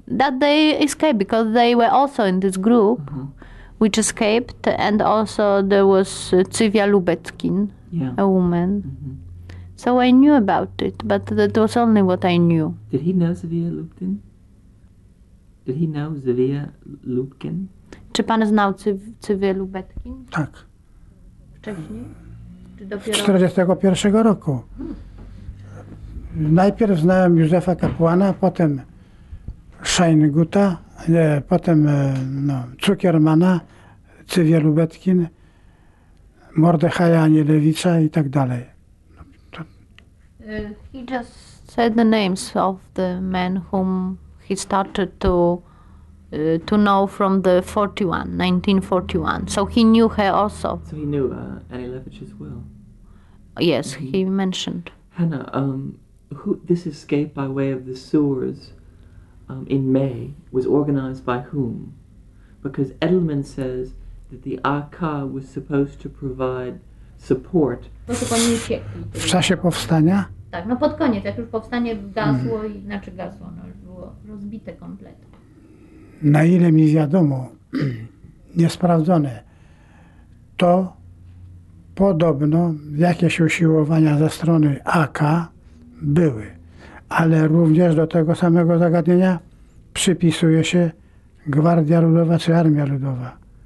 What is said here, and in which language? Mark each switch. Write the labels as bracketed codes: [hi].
[en] That they escaped because they were also in this group. Mm-hmm. Which escaped, and also there was Cywia Lubetkin, yeah. A woman. Mm-hmm. So I knew about it, but that was only what I knew. Did he know Cywia Lubetkin? Did he know Cywia Lubetkin? [pl] Czy pan znał Cywię Lubetkin? Tak. Wcześniej? W 1941 roku. Najpierw znałem Józefa Kapłana, potem Scheininguta. Potem Zuckermana, Cywię Lubetkin, Mordechaja Anielewicza i tak dalej. [en] He just said the names of the men whom he started to know from the 1941. So he knew her also. So he knew Anielewicz as well. Yes, mm-hmm. He mentioned. Hannah, who this escape by way of the sewers? In May, was organized by whom? Because Edelman says that the AK was supposed to provide support. [pl] W czasie powstania? Tak, no pod koniec, jak już powstanie gasło, znaczy gasło, no już było rozbite kompletnie. Na ile mi wiadomo, niesprawdzone, to podobno jakieś usiłowania ze strony AK były, ale również do tego samego zagadnienia przypisuje się Gwardia Ludowa czy Armia Ludowa.